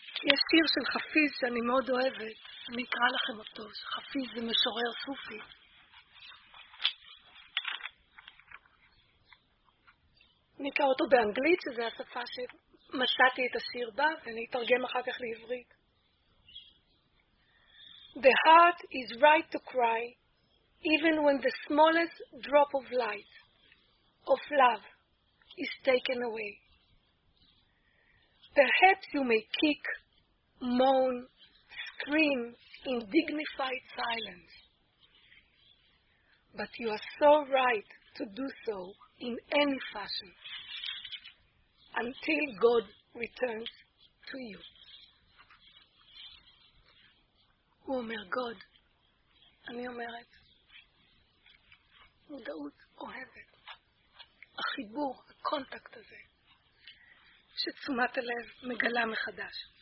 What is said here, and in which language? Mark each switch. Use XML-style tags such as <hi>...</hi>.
<he>יש שיר של חפיז שאני מאוד אוהבת, אני אקרא לכם אותו, שחפיז זה משורר סופי. אני אקרא אותו באנגלית, שזו השפה שמסעתי את השיר בה, ואני אתרגם אחר כך לעברית.</he> <en>The heart is right to cry, even when the smallest drop of light, of love, is taken away. Perhaps you may kick, moan, scream in dignified silence. But you are so right to do so in any fashion until God returns to you.</en> <he>הוא אומר, God, אני אומרת, מודעות אוהבת, החיבור, הקונטקט הזה, שתשומת הלב מגלה מחדש.</he>